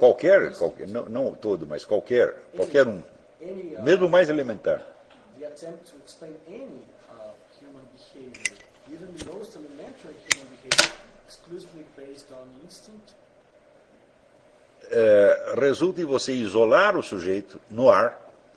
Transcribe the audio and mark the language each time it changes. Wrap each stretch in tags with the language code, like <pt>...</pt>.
<pt>qualquer, qualquer não, não todo, mas qualquer,</pt> <en>any,</en> <pt>qualquer um,</pt> <en>any,</en> <pt>mesmo mais elementar.</pt> <en>The attempt to explain any human behavior, even the most elementary human behavior, exclusively based on instinct,</en> <pt>resulta em você isolar o sujeito no ar.</pt>